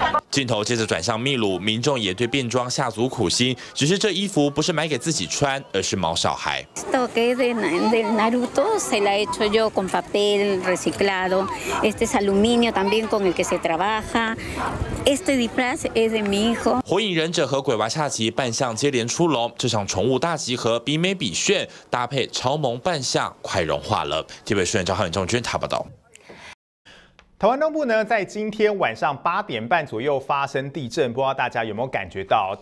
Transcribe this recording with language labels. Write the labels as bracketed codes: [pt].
[zh] 镜头接着转向秘鲁，民众也对变装下足苦心，只是这衣服不是买给自己穿，而是毛小孩。 [es] Esto que es de Naruto se la he hecho yo con papel reciclado. Este es aluminio también con el que se trabaja. Este disfraz es de mi hijo. [zh] 火影忍者和鬼娃恰吉扮相接连出笼，这场宠物大集合比美比炫，搭配超萌扮相快融化了。台北市长赵汉中军台报道。台湾东部呢，在今天晚上8:30左右发生地震，不知道大家有没有感觉到？